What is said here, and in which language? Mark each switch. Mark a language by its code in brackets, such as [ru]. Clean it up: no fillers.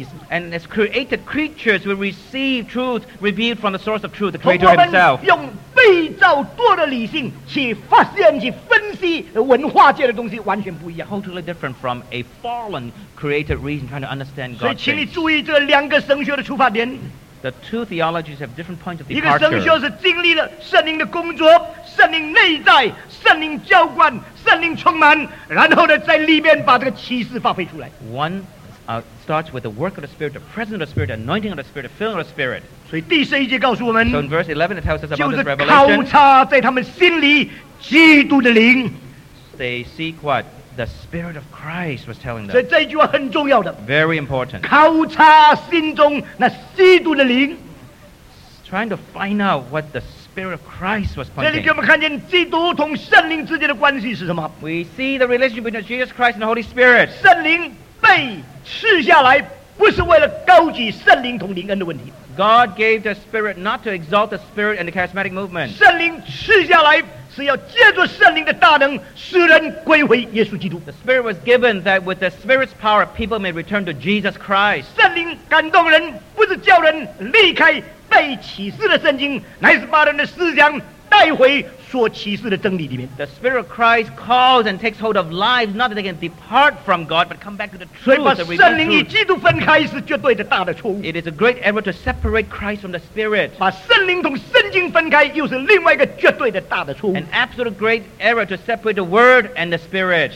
[en] And as created creatures, we receive truth revealed from the source of truth, the Creator Himself. [zh] 被造多的理性去发现去分析文化界的东西完全不一样 [en] totally different from a fallen created reason trying to understand God [zh] 所以请你注意这两个神学的出发点 [en] the two theologies have different points of departure [zh] 一个神学是经历了圣灵的工作圣灵内在圣灵浇灌圣灵充满然后呢在里面把这个启示发挥出来 [en] oneStarts with the work of the Spirit, the presence of the Spirit, the anointing of the Spirit, the filling of the Spirit. So in verse 11, it tells us about this revelation. [zh] 就是考察在他们心里基督的灵。 [en] They seek what the Spirit of Christ was telling them. [zh] 所以这句话很重要的。 [en] Very important. [zh] 考察心中那基督的灵。 [en] Trying to find out what the Spirit of Christ was pointing. [zh] 这里给我们看见基督同圣灵之间的关系是什么 [en] ？We see the relationship between Jesus Christ and the Holy Spirit. [zh] 圣灵被赐下来不是为了高举圣灵同灵恩的问题。 [en] God gave the Spirit not to exalt the Spirit and the charismatic movement. [zh] 圣灵赐下来是要借助圣灵的大能使人归回耶稣基督。 [en] The Spirit was given that with the Spirit's power, people may return to Jesus Christ. [zh] 圣灵感动人不是叫人离开被启示的圣经，乃是把人的思想带回。 [en] The Spirit of Christ calls and takes hold of lives, not that they can depart from God, but come back to the truth, the revealed truth. It is a great error to separate Christ from the Spirit. An absolute great error to separate the Word and the Spirit.